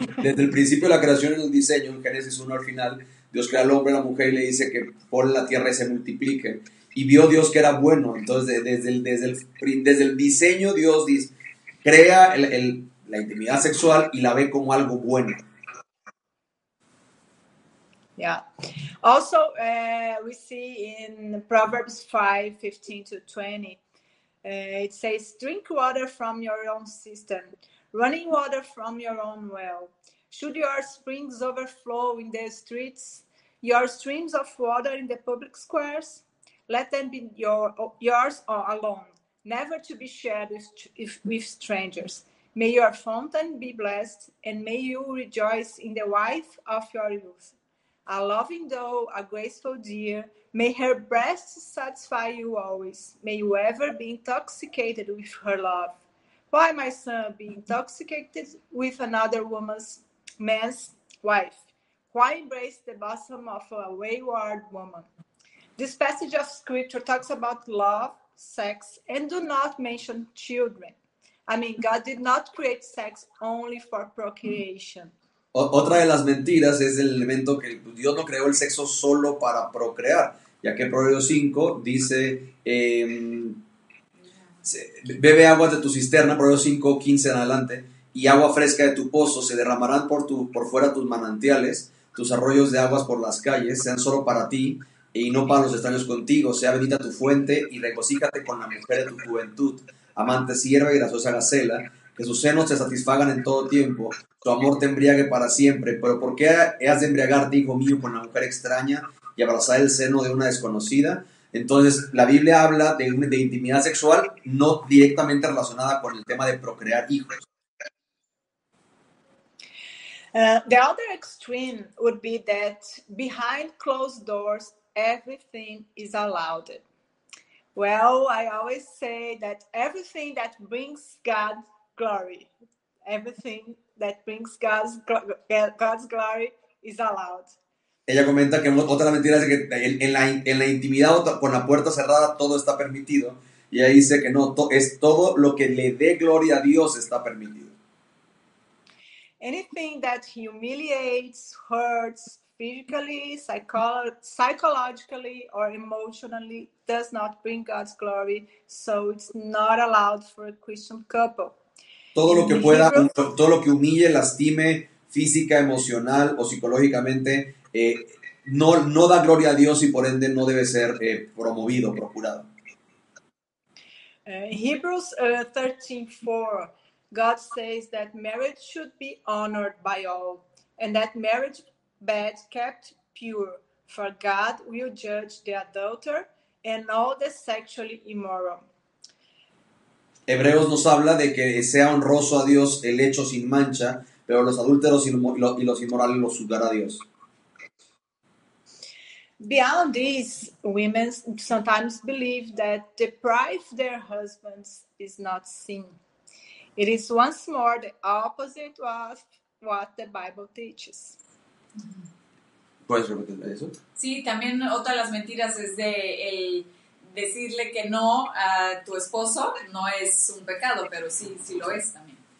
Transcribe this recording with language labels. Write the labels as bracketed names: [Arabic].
[Spanish] Desde el principio de la creación en el diseño, en Génesis 1 al final, Dios crea al hombre y a la mujer y le dice que por la tierra y se multiplique. Y vio Dios que era bueno. Entonces, desde el diseño, Dios dice, crea la intimidad sexual y la ve como algo bueno. [English] Yeah. Also, we see in Proverbs 5:15-20, it says, drink water from your own cistern, running water from your own well. Should your springs overflow in the streets, your streams of water in the public squares, let them be yours or alone, never to be shared with strangers. May your fountain be blessed, and may you rejoice in the wife of your youth. A loving doe, a graceful deer, may her breast satisfy you always. May you ever be intoxicated with her love. Why, my son, be intoxicated with another woman's man's wife? Why embrace the bosom of a wayward woman? This passage of scripture talks about love, sex, and do not mention children. I mean, God did not create sex only for procreation. [Spanish] Otra de las mentiras es el elemento que Dios no creó el sexo solo para procrear, ya que Proverbios 5 dice, bebe agua de tu cisterna, Proverbios 5:15 en adelante, y agua fresca de tu pozo se derramarán por fuera tus manantiales, tus arroyos de aguas por las calles, sean solo para ti y no para los extraños contigo, sea bendita tu fuente y regocíjate con la mujer de tu juventud, amante sierva y graciosa gacela, que sus senos te satisfagan en todo tiempo, tu amor te embriague para siempre. Pero ¿por qué has de embriagarte, hijo mío, con una mujer extraña y abrazar el seno de una desconocida? Entonces, la Biblia habla de intimidad sexual no directamente relacionada con el tema de procrear hijos. [English] The other extreme would be that behind closed doors, everything is allowed. Well, I always say that everything that brings God glory, everything that brings God's glory is allowed. [Spanish] Ella comenta que otra mentira es que en la intimidad con la puerta cerrada todo está permitido. Y ella dice que no, es todo lo que le dé gloria a Dios está permitido. [English] Anything that humiliates, hurts physically, psychologically, or emotionally does not bring God's glory, so it's not allowed for a Christian couple. [Spanish] Todo lo que pueda, todo lo que humille, lastime física, emocional o psicológicamente, no da gloria a Dios y por ende no debe ser promovido, procurado. [English] Hebrews 13:4, God says that marriage should be honored by all and that marriage bed kept pure, for God will judge the adulterer and all the sexually immoral. [Spanish] Hebreos nos habla de que sea honroso a Dios el hecho sin mancha, pero los adúlteros y los inmorales los juzgará Dios. [English] Beyond this, women sometimes believe that deprive their husbands is not sin. It is once more the opposite of what the Bible teaches. [Spanish] ¿Puedes repetir eso? Sí, también otra de las mentiras es de decirle que no a tu esposo no es un pecado, pero sí, sí lo es también.